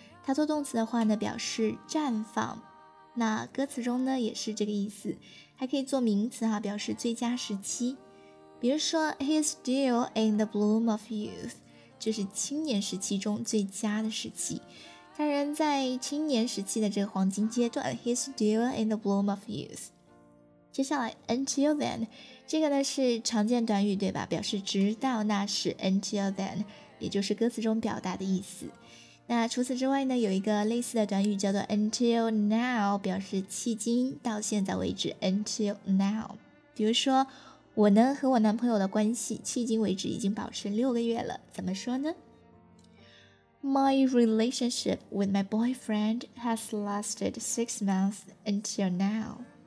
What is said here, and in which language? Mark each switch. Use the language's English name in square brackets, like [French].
[Chinese] 它做动词的话呢，表示绽放。那歌词中呢，也是这个意思。还可以做名词哈，表示最佳时期。比如说 [English] ,He's still in the bloom of youth. [Chinese] 就是青年时期中最佳的时期，当然在青年时期的这个黄金阶段 [English] He's still in the bloom of youth。 [Chinese] 接下来 until then， 这个呢是常见短语对吧，表示直到那时 until then， 也就是歌词中表达的意思。那除此之外呢，有一个类似的短语叫做 until now， 表示迄今到现在为止 until now。比如说我呢和我男朋友的关系迄今为止已经保持六个月了，怎么说呢？ [English] My relationship with my boyfriend has lasted 6 months until now.